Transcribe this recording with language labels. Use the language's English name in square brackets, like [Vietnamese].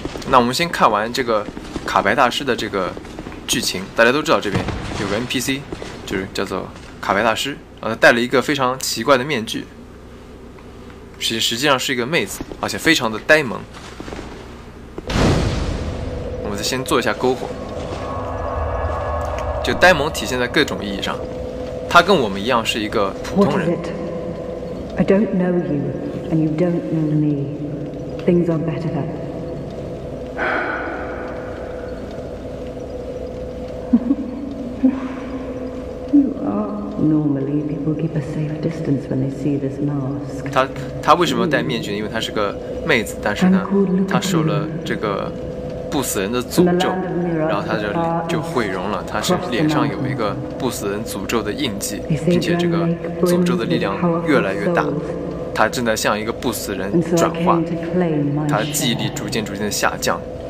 [Chinese] 那我们先看完这个卡白大师的这个剧情，大家都知道这边有个 NPC， 就是叫做卡白大师，他戴了一个非常奇怪的面具，实际上是一个妹子，而且非常的呆萌。我们再先做一下篝火，就呆萌体现在各种意义上。他跟我们一样是一个普通人。 [English] What is it? I don't know you, and you don't know me. Things are better than. You are. Normally, people keep a safe distance when they see this mask. [Chinese] 他为什么戴面具？因为他是个妹子，但是呢，他受了这个不死人的诅咒，然后他就毁容了，他是脸上有一个不死人诅咒的印记，并且这个诅咒的力量越来越大，他正在向一个不死人转化，他的记忆力逐渐的下降。